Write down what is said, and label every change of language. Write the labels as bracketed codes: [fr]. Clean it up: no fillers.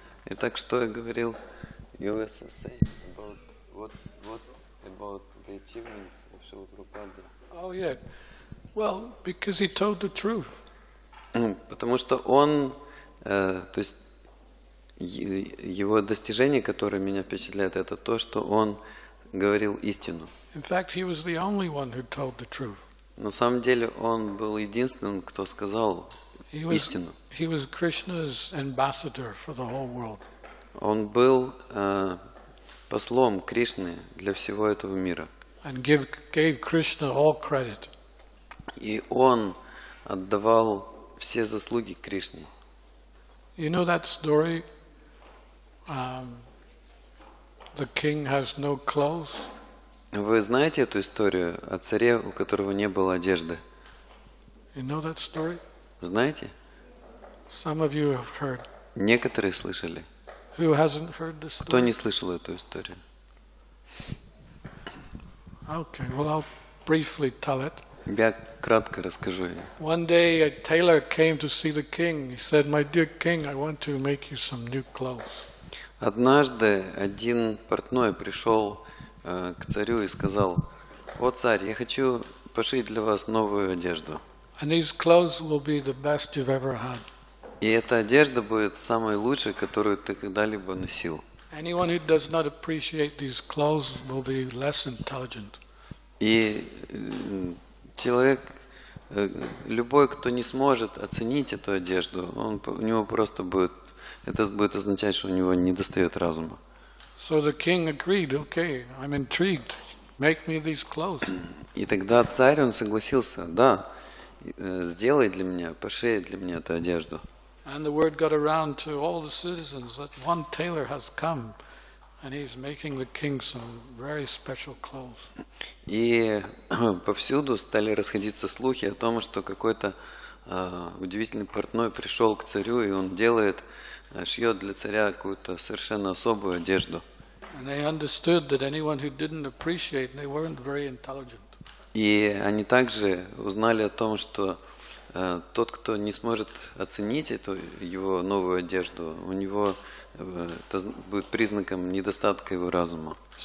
[ru] Итак, что я говорил? [en] You were saying about what about the achievements of Шрила Прабхупады? Oh yeah. Well, because he told the truth. [ru] Потому что он, то есть его достижение, которое меня впечатляет, это то, что он говорил истину. [en] In fact, he was the only one who told the truth. [ru] На самом деле он был единственным, кто сказал истину. [en] He was Krishna's ambassador for the whole world. [ru] Он был послом Кришны для всего этого мира. [en] And gave Krishna all credit. [ru] И он отдавал все заслуги Кришне. [en] You know that story? The king has no clothes. [ru] Вы знаете эту историю о царе, у которого не было одежды? [en] You know that story? [ru] Знаете? [en] Some of you have heard. [ru] Некоторые слышали. [en] Who hasn't heard this story? [ru] Кто не слышал эту историю? [en] Okay, well I'll briefly tell it. [ru] Я кратко расскажу. [en] One day a tailor came to see the king. He said, "My dear king, I want to make you some new clothes." [ru] Однажды один портной пришел к царю и сказал: "О царь, я хочу пошить для вас новую одежду." [en] And these clothes will be the best you've ever had. [ru] И эта одежда будет самой лучшей, которую ты когда-либо носил. [en] Anyone who does not appreciate these clothes will be less intelligent. [ru] И человек, любой, кто не сможет оценить эту одежду, он, у него просто будет, это будет означать, что у него не достает разума. [en] So the king agreed, okay, I'm intrigued. Make me these clothes. [ru] И тогда царь, он согласился, да, сделай для меня, пошей для меня эту одежду. [en] And the word got around to all the citizens that one tailor has come. And he's making the king some very special clothes. [ru] И повсюду стали расходиться слухи о том, что какой-то удивительный портной пришел к царю, и он делает, шьет для царя какую-то совершенно особую одежду. [en] And they understood that anyone who didn't appreciate, they weren't very intelligent. [ru] И они также узнали о том, что тот, кто не сможет оценить эту его новую одежду, у него это будет признаком недостатка его разума.